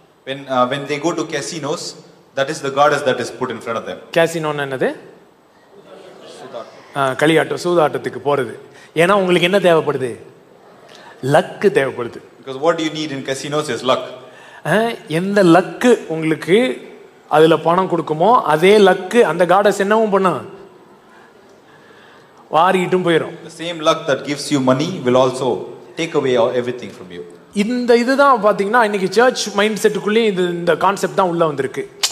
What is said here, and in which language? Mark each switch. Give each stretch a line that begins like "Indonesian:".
English: When when they go to casinos, that is the goddess that is put in front of them.
Tamil: காசினோன்னா என்னது? களியாட்டம், சூதாட்டத்துக்கு போறது. ஏன்னா உங்களுக்கு என்ன தேவைப்படுது? லக் தேவைப்படுது.
English: Because what you need in casinos is luck.
Tamil: எந்த luck உங்களுக்கு அதுல பணம் கொடுக்குமோ அதே லக் அந்த காடஸ் என்னவும் பண்ணும், வாரிட்டும் போயிடும்.
English: The same luck that gives you money will also take away everything from you.
Tamil: இந்த இதுதான் பாத்தீங்கன்னா இன்னைக்கு சர்ச் மைண்ட் செட்டுக்குள்ளே இது இந்த கான்செப்ட் தான் உள்ள வந்திருக்கு.